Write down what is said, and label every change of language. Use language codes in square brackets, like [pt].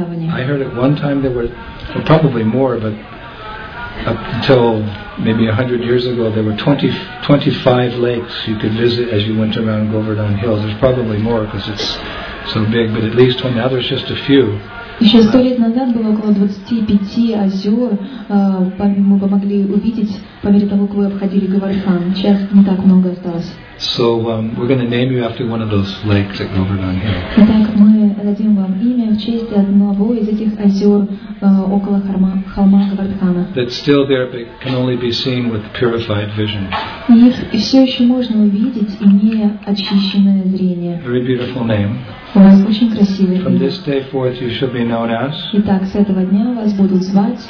[en] I heard at one time there were, well, probably more, but up until maybe 100 years ago, there were 25 lakes you could visit as you went around Govardhan Hill. There's probably more because it's so big, but at least now there's just a few. [ru] Еще 100 лет назад было около 25 озер, мы помогли увидеть, по мере того, как вы обходили Говардхан. Сейчас не так много осталось. [en] So, we're going to name you after one of those lakes at Govardhan Hill. [ru] Итак, мы дадим вам имя в честь одного из этих озер около холма Говардхана. [en] That's still there, but can only be seen with purified vision. [ru] Их все еще можно увидеть, имея очищенное зрение. [en] Very beautiful name. [ru] У вас очень красивый. [en] From this day forth, you should be known as. [ru] Итак, с этого дня вас будут звать.